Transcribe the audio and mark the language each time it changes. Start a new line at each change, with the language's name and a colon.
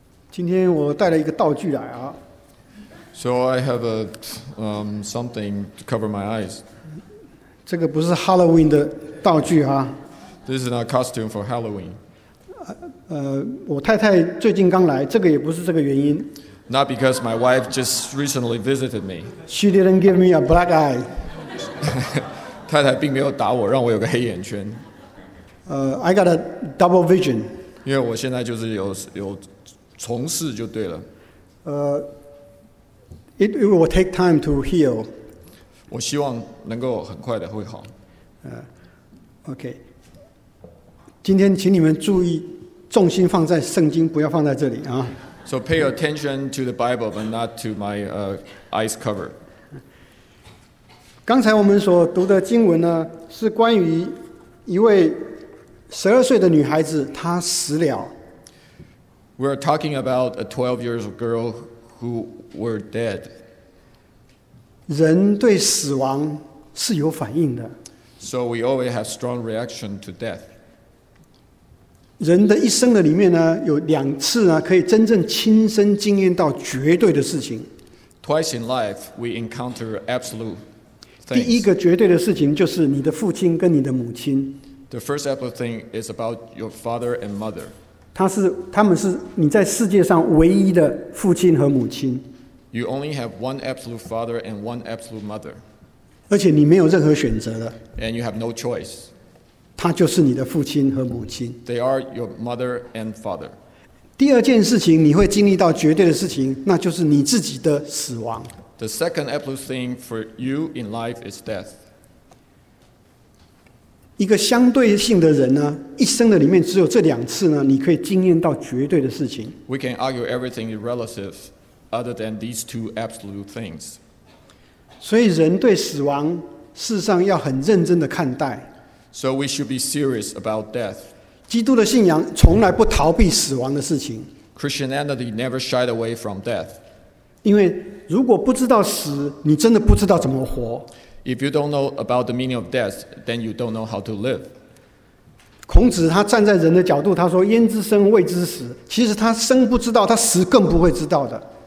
Chinese: 今天我带了一个道具来啊。
English: So I have a something to cover my eyes.
Chinese: 这个不是 Halloween 的道具啊。
English: This is not a costume for Halloween.
Chinese: 我太太最近刚来，这个也不是这个原因。
English: Not because my wife just recently visited me. She didn't give me a black eye.
Chinese: 太太并没有打我，让我有个黑眼圈。
English: I got a double vision.
Chinese: 因为我现在就是有重视就对了。
English: It will take time to heal.
Chinese: 我希望能够很快的会好。 Okay. 今天请你们注意，重心放在圣经，不要放在这里啊。
English: So pay attention to the Bible, but not to my eyes cover.
Chinese: 刚才我们所读的经文呢，是关于一位十二岁的女孩子她死了。
English: We're talking about a 12-year-old girl who were dead.
Chinese: 人对死亡是有反应的。
English: So we always have strong reaction to death.
Chinese: 人的一生的里面呢，有两次呢，可以真正亲身经验到绝对的事情。
English: Twice in life, we encounter absolute things.
Chinese: 第一个绝对的事情就是你的父亲跟你的母亲。
English: The first absolute thing is about your father and mother.
Chinese: 他们是你在世界上唯一的父亲和母亲。
English: You only have one absolute father and one absolute mother.
Chinese: 而且你没有任何选择的。
English: And you have no choice.
Chinese: 他就是你的父亲和母亲。
English: They are your mother and father.
Chinese: 第二件事情你会经历到绝对的事情，那就是你自己的死亡。
English: The second absolute thing for you in life is death.
Chinese: 一个相对性的人呢，一生的里面只有这两次呢，你可以经验到绝对的事情。
English: We can argue everything is relative other than these two absolute things.
Chinese: 所以人对死亡事实上要很认真的看待。
English: So we should be serious about death.
Chinese: 基督的信仰从来不逃避死亡的事情。
English: Christianity never shied away from death.
Chinese: 因为如果不知道死，你真的不知道怎么活。
English: If you don't know about the meaning of death, then you don't know how to live.
Chinese: 孔子他站在人的角度，他说：“焉知生，未知死。” 其实他生不知道，他死更不会知道的。